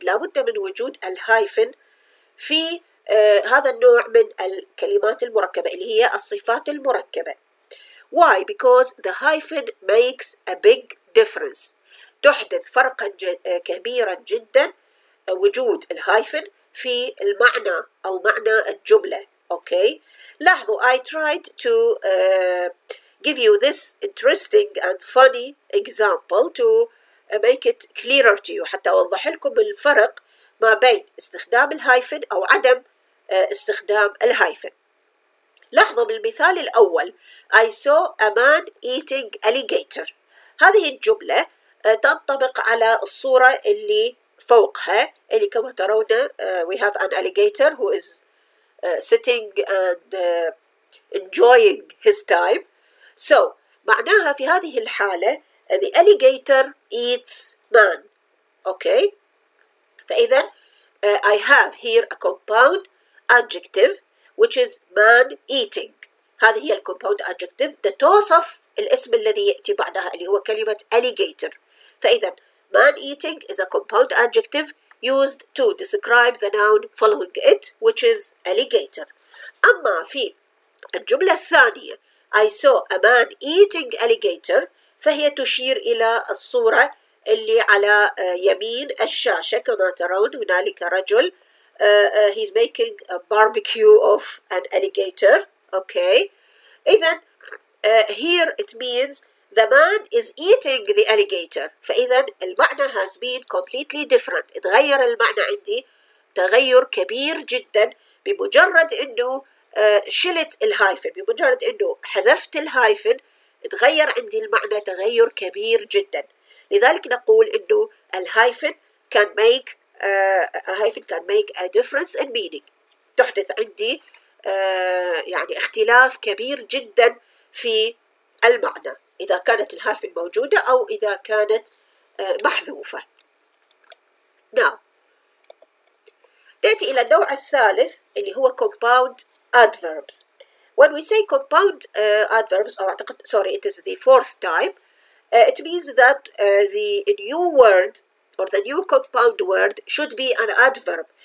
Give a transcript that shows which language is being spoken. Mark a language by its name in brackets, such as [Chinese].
[Arabic] لابد من وجود hyphen في هذا النوع من الكلمات المركبة اللي هي الصفات المركبة. [English] Why? Because the hyphen makes a big difference. [Arabic] تحدث فرقا كبيرا جدا وجود الهايفن في المعنى أو معنى الجملة. [English] Okay. [Arabic] لاحظوا, [English] I tried to give you this interesting and funny example to make it clearer to you. [Arabic] حتى أوضح لكم الفرق ما بين استخدام الهايفن أو عدم استخدام الهايفن. لاحظوا بالمثال الأول [English] I saw a man eating alligator. [Arabic] هذه الجملة تنطبق على الصورة اللي فوقها اللي كما ترون [English] we have an alligator who is sitting and enjoying his time. So [Arabic] معناها في هذه الحالة [English] the alligator eats man. Okay. [Arabic] فإذا [English] I have here a compound adjective which is man-eating. [Arabic] هذه هي الcompound adjective that توصف الاسم الذي يأتي بعدها اللي هو كلمة alligator. فإذا [English] man-eating is a compound adjective used to describe the noun following it which is alligator. [Arabic] أما في الجملة الثانية [English] I saw a man eating alligator [Arabic] فهي تشير إلى الصورة اللي على يمين الشاشة كما ترون هنالك رجل [English] he's making a barbecue of an alligator. Okay. إذن here it means the man is eating the alligator. [Arabic] فإذن المعنى [English] has been completely different. [Arabic] تغير المعنى عندي تغير كبير جدا بمجرد أنه شلت الهايفن. بمجرد أنه حذفت الهايفن تغير عندي المعنى تغير كبير جدا. لذلك نقول أنه الهايفن [English] can make a hyphen can make a difference in meaning. [Arabic] تحدث عندي يعني اختلاف كبير جدا في المعنى إذا كانت الهايفن موجودة أو إذا كانت محذوفة. Now نأتي إلى النوع الثالث اللي هو compound adverbs. [English] When we say compound adverbs [Arabic] أو أعتقد [English] sorry it is the fourth time it means that the new word or the new compound word should be an adverb.